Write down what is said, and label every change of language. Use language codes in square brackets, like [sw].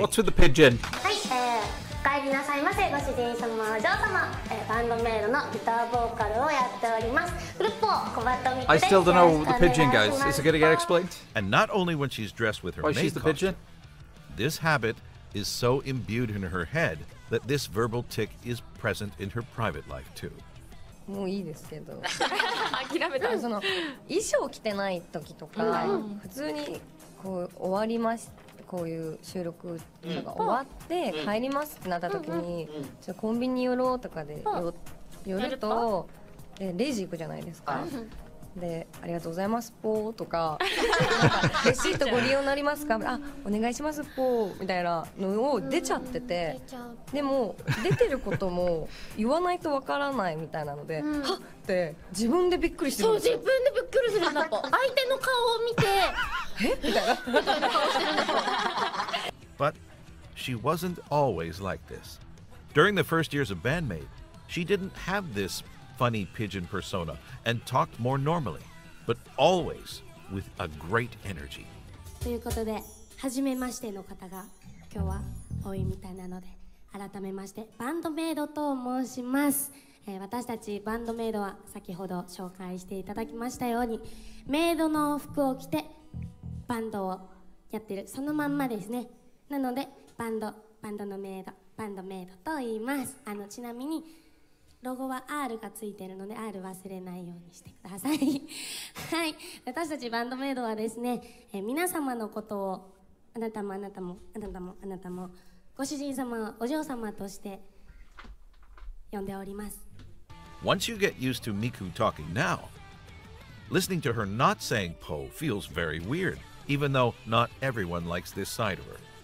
[en] What's with the pigeon? I still don't know the pigeon, guys. Is it going to get explained? And not only when she's dressed with her maid costume. Why, she's the pigeon? This habit is so imbued in her head that this verbal tic is present in her private life, too. [ja] もういいですけど。諦めた。その衣装着てない時とか、普通にこう終わりまし、こういう収録とか終わって帰りますってなった時に、じゃコンビニ寄ろうとかで寄るとでレジ行くじゃないですか。でありがとうございますポーとかレシートご利用になりますか、あお願いしますポーみたいなのを出ちゃってて、でも出てることも言わないとわからないみたいなので、うん、はっって自分でびっくりしてるんですよ。そう自分でびっくりするんだと相手の顔を見てえみたいな。 [en] But she wasn't always like this. During the first years of BANDMAID, she didn't have this funny pigeon persona and talked more normally, but always with a great energy. [ja] ということで、はじめましての方が今日は多いみたいなので、改めましてバンドメイドと申します。私たちバンドメイドは先ほど紹介していただきましたように、メイドの服を着てバンドをやってるそのまんまですね。なのでバンドのメイド、バンドメイドと言います。ちなみにロゴは R がついてるので R 忘れないようにしてください。はい、私たちバンドメイドはですね、皆様のことをあなたもあなたもあなたもあなたもご主人様お嬢様として呼んでおります。 [en] Once you get used to Miku talking now, listening to her not saying Po feels very weird, even though not everyone likes this side of her.